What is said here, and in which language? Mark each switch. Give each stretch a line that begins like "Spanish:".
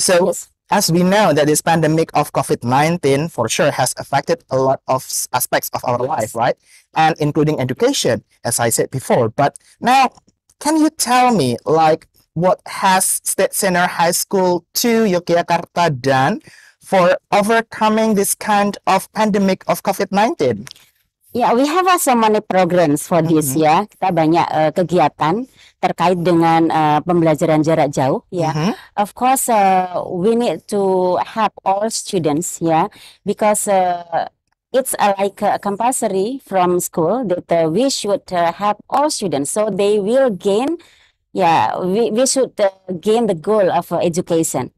English: So, as we know that this pandemic of COVID-19 for sure has affected a lot of aspects of our life, right? And including education, as I said before. But now, Can you tell me, like, what has State Senior High School to Yogyakarta done for overcoming this kind of pandemic of COVID-19? Ya, yeah, we have so many programs for this, mm-hmm. ya.
Indonesian: Kita banyak kegiatan terkait dengan pembelajaran jarak jauh, ya.
English: Mm-hmm. Of course, we need to help all students, ya. Yeah, because it's like compulsory from school that we should help all students. So they will gain, ya, yeah, we should gain the goal of education.